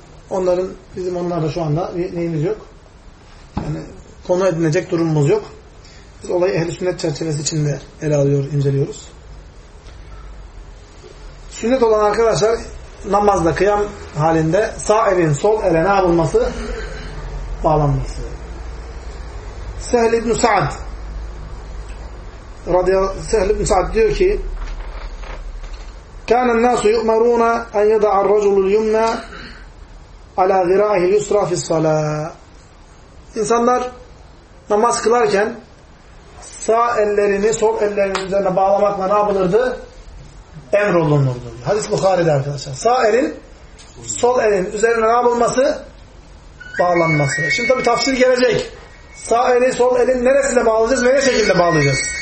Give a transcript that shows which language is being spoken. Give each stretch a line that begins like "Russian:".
Turkish: Onların, bizim onlarla şu anda neyimiz yok. Yani konu edinecek durumumuz yok. Biz olayı Ehl-i Sünnet çerçevesi içinde ele alıyor, inceliyoruz. Sünnet olan arkadaşlar namazda kıyam halinde sağ elin sol ele ne yapılması? Bağlanması.
Arabic: Sehl ibn-i Sa'd Sehl ibn-i Sa'd
Turkish: diyor ki
Arabic: كَانَ النَّاسُ يُؤْمَرُونَ اَنْ يَدَعَ الرَّجُلُ الْيُمْنَى عَلَى غِرَاهِ الْيُسْرَى فِي الصَّلَاةِ.
Turkish: İnsanlar namaz kılarken sağ ellerini sol ellerinin üzerine bağlamakla ne yapılırdı? Emrolunurdu. Hadis Buhari'de arkadaşlar. Sağ elin, sol elin üzerine ne yapılması? Bağlanması. Şimdi tabii tafsir gelecek. Sağ eli, sol elin neresine bağlayacağız ve ne şekilde bağlayacağız?